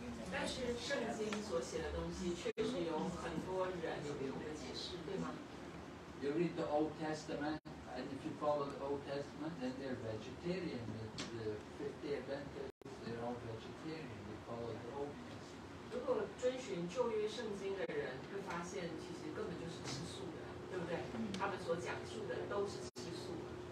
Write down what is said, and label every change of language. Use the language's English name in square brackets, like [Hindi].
[Chinese] 但是圣经所写的东西确实有很多人有不同的解释，对吗？ [English] You read the Old Testament, and if you follow the Old Testament, then they're vegetarian. The 50 Adventists, they're all vegetarian. They follow the Old Testament. [Chinese] 如果遵循旧约圣经的人会发现其实根本就是吃素的，对不对？他们所讲述的都是吃素的。